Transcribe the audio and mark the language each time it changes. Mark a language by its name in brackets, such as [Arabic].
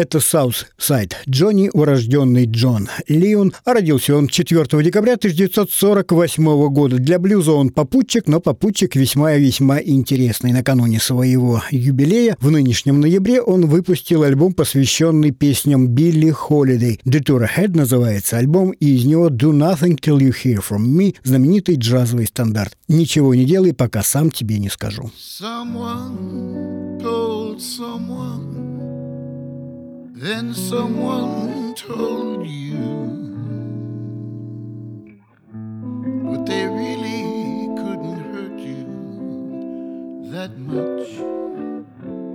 [Russian] Это Southside Джонни, урожденный Джон Лион. А родился он 4 декабря 1948 года. Для блюза он попутчик, но попутчик весьма-весьма интересный. Накануне своего юбилея, в нынешнем ноябре, он выпустил альбом, посвященный песням Билли Холидей. «The Tour Ahead» называется альбом, и из него «Do Nothing Till You Hear From Me» – знаменитый джазовый стандарт. «Ничего не делай, пока сам тебе не скажу». [English] Someone told someone, then someone told you what they really couldn't hurt you that much.